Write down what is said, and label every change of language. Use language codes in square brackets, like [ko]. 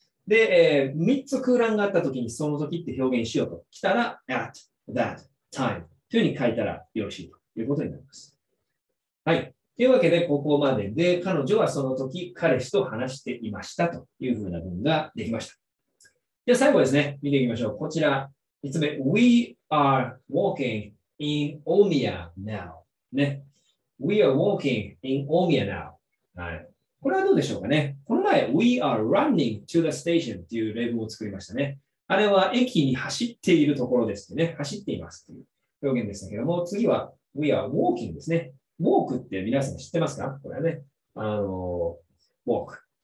[ja] で、3つ空欄があった時にその時って表現しようと来たら、 [en] at that. [ja] time というふうに書いたらよろしいということになります。はい。というわけで、ここまでで、彼女はその時、彼氏と話していましたというふうな文ができました。じゃあ最後ですね、見ていきましょう。こちら、5つ目、 [en] We are walking in Omiya now. [ja] ね。 [en] We are walking in Omiya now. [ja] はい。これはどうでしょうかね。この前、 [en] We are running to the station [ja] っていう例文を作りましたね。あれは駅に走っているところですってね。走っていますっていう表現でしたけども、次は [en] We are walking [ja] ですね。 Walk って皆さん知ってますか？これはね。Walk。